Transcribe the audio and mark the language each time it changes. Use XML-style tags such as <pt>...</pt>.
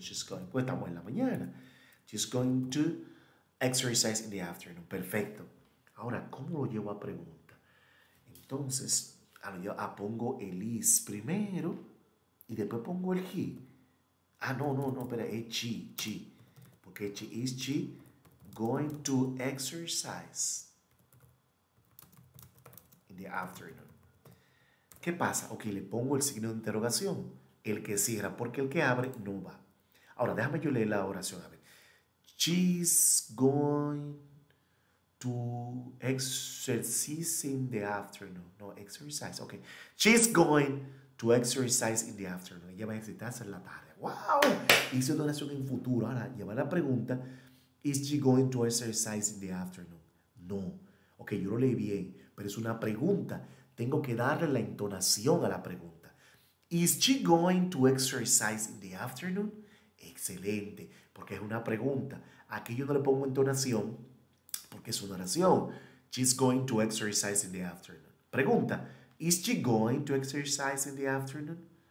<en>She's going,</en> <es>pues estamos en la mañana.</es> <en>She's going to exercise in the afternoon.</en> <es>Perfecto. Ahora, ¿cómo lo llevo a pregunta? Entonces, yo pongo el is primero y después pongo el he. Ah, no, no, no, espera, es she. Porque</es> <en>she is she going to exercise in the afternoon.</en> <es>¿Qué pasa? Ok, le pongo el signo de interrogación. El que cierra, porque el que abre no va. Ahora, déjame yo leer la oración. A ver.</es> <en>She's going to exercise in the afternoon.</en> <es>No, exercise. Ok.</es> <en>She's going to exercise in the afternoon.</en> <es>Ella va a ejercitarse en la tarde. ¡Wow! Hice una oración en futuro. Ahora, lleva la pregunta.</es> <en>Is she going to exercise in the afternoon?</en> <es>No. Ok, yo lo leí bien. Pero es una pregunta. Tengo que darle la entonación a la pregunta.</es> <en>Is she going to exercise in the afternoon?</en> <es>Excelente, porque es una pregunta. Aquí yo no le pongo entonación porque es una oración.</es> <en>She's going to exercise in the afternoon.</en> <es>Pregunta,</es> <en>is she going to exercise in the afternoon?</en>